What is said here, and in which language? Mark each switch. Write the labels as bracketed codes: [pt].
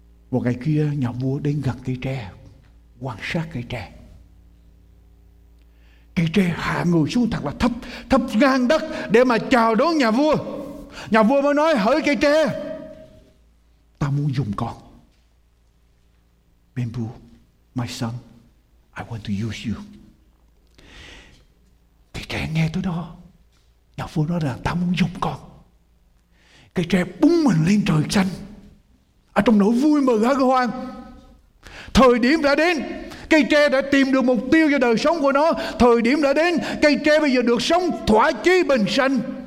[vi] Một ngày kia nhà vua đến gần cây tre, quan sát cây tre. Cây tre hạ người xuống thật là thấp, thấp ngang đất để mà chào đón nhà vua. Nhà vua mới nói: hỡi cây tre, ta muốn dùng con. [en] Bamboo, my son, I want to use you. [vi] Cây tre nghe tới đó, nhà vua nói là ta muốn dùng con. Cây tre búng mình lên trời xanh ở trong nỗi vui mừng hân hoan. Thời điểm đã đến, cây tre đã tìm được mục tiêu cho đời sống của nó. Thời điểm đã đến, cây tre bây giờ được sống thỏa chí bình sanh.